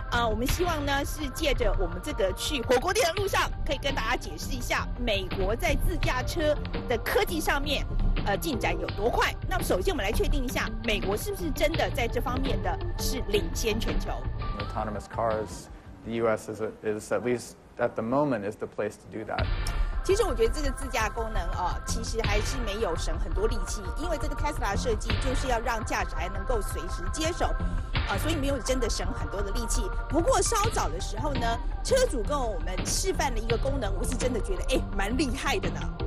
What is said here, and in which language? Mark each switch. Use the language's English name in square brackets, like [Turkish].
[Chinese] 我们希望呢是借着我们这个去火锅店的路上，可以跟大家解释一下美国在自驾车的科技上面，进展有多快。那么首先我们来确定一下，美国是不是真的在这方面的是领先全球。 [English] Autonomous cars, the U.S. is at least at the moment is the place to do that. [Chinese] 其实我觉得这个自驾功能啊，其实还是没有省很多力气，因为这个 Tesla 设计就是要让驾驶还能够随时接手，所以没有真的省很多的力气。不过稍早的时候呢，车主跟我们示范了一个功能，我是真的觉得蛮厉害的呢。